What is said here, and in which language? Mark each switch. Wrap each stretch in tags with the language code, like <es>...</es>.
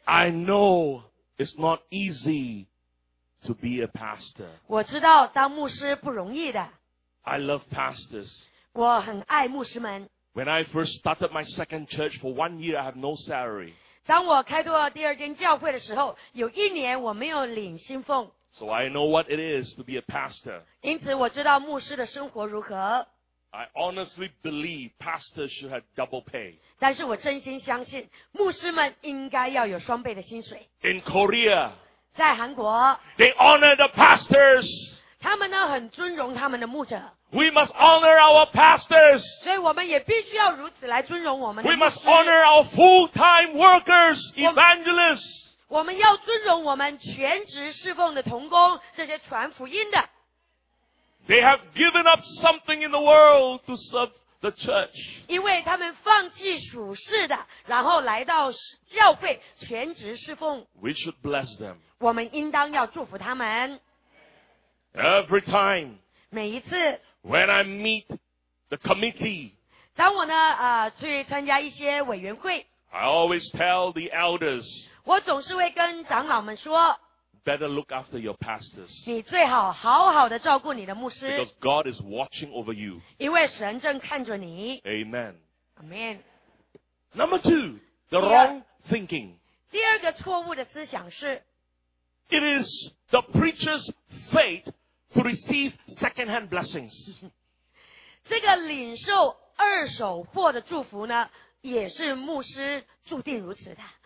<en>I know it's not easy to be a pastor.</en> <zh>我知道当牧师不容易的。</zh> <en>I love pastors.</en> <zh>我很爱牧师们。</zh> <en>When I first started my second church for 1 year, I have no salary.</en> <zh>当我开拓第二间教会的时候，有一年我没有领薪俸。</zh> <en>So I know what it is to be a pastor.</en> <zh>因此我知道牧师的生活如何。</zh> <en>I honestly believe pastors should have double pay.</en> <zh>但是我真心相信牧师们应该要有双倍的薪水。</zh> <en>In Korea,</en> <zh>在韩国</zh> <en>they honor the pastors.</en> <zh>他们呢很尊荣他们的牧者。</zh> <en>We must honor our pastors.</en> <zh>所以我们也必须要如此来尊荣我们的牧</zh> <en>师。We must honor our full-time workers, evangelists.</en> <zh>我们要尊荣我们全职侍奉的同工，这些传福音的。</zh> <en>They have given up something in the world to serve the church.</en> <zh>因为他们放弃属世的，然后来到教会全职侍奉。</zh> <en>We should bless them.</en> <zh>我们应当要祝福他们。</zh> <en>Every time.</en> <zh>每一次。</zh> <en>When I meet the committee.</en> <zh>当我呢去参加一些委员会。</zh> <en>I always tell the elders.</en> <zh>我总是会跟长老们说。</zh> <en>Better look after your pastors.</en> <zh>你最好好好的照顾你的牧师。</zh> <en>Because God is watching over you.</en> <zh>因为神正看着你。</zh> <en>Amen. Amen. Number two, the wrong thinking.</en> <zh>第二个错误的思想是</zh> <en>It is the preacher's fate to receive second-hand blessings.</en> <zh>这个领受二手货的祝福呢，也是牧师注定如此的。</zh>